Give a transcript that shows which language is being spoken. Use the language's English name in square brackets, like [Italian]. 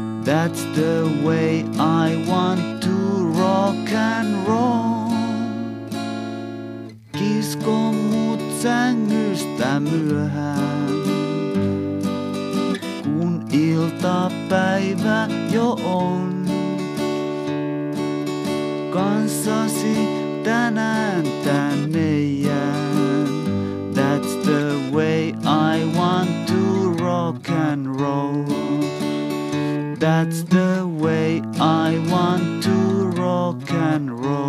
[English] That's the way I want to rock and roll. [Finnish] Kisko mut sängystä myöhään, kun iltapäivä jo on. Kanssasi tänään tänne jään. [English] That's the way I want to rock and roll. That's the way I want to rock and roll.